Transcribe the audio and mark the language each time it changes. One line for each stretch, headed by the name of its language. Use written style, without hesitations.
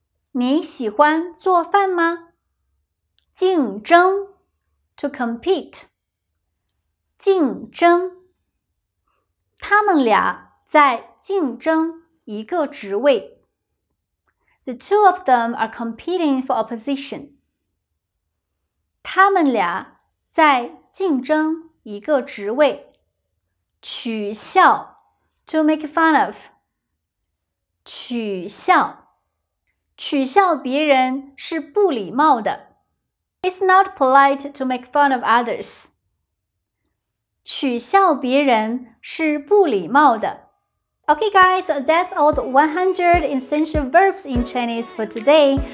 Chinese: 你喜欢做饭吗竞争
English: To compete
Chinese: 竞争他们俩在竞争一个职位
English: The two of them are competing for a position
Chinese: 他们俩在竞争一个职位取笑
English: To make fun of
Chinese: 取笑取笑别人是不礼貌的
English: It's not polite to make fun of others.
Chinese: 取笑别人是不礼貌的。
English: Okay, guys, that's all the 100 essential verbs in Chinese for today.